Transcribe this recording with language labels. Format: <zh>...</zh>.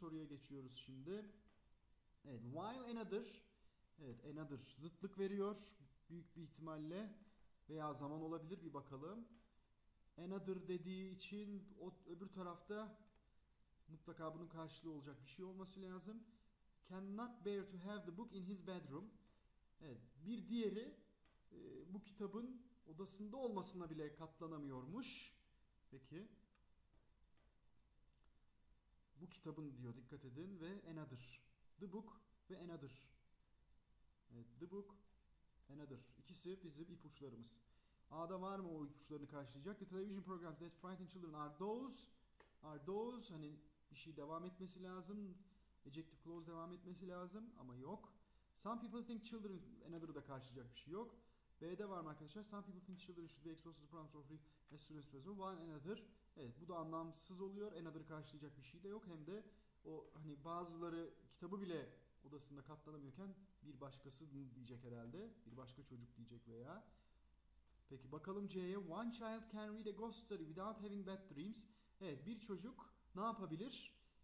<tr>soruya geçiyoruz şimdi. Evet,</tr> <en>while another,</en> <tr>evet, another zıtlık veriyor. Büyük bir ihtimalle veya zaman olabilir, bir bakalım. Another dediği için o öbür tarafta mutlaka bunun karşılığı olacak bir şey olması lazım.</tr> <en>Cannot bear to have the book in his bedroom.</en> <tr>Evet, bir diğeri bu kitabın odasında olmasına bile katlanamıyormuş. Peki. Bu kitabın diyor, dikkat edin, ve another.</tr> <en>The book</en> <tr>ve another. Evet,</tr> <en>the book, another.</en> <tr>İkisi bizim ipuçlarımız. A'da var mı o ipuçlarını karşılayacak?</tr> <en>The television programs that frighten children are those.</en> <tr>Hani bir şey devam etmesi lazım. Ejective clause devam etmesi lazım ama yok.</tr> <en>Some people think children</en> <tr>another'ı da karşılayacak bir şey yok. B'de var mı arkadaşlar?</tr> <en>Some people think children should be exposed to the problems of free as soon as possible. One another.</en> <tr>Evet, bu da anlamsız oluyor. Another'ı karşılayacak bir şey de yok. Hem de o hani bazıları kitabı bile odasında katlanamıyorken bir başkası diyecek herhalde. Bir başka çocuk diyecek veya. Peki bakalım C'ye.</tr> <en>One child can read a ghost story without having bad dreams.</en> <tr>Evet, bir çocuk ne yapabilir?</tr>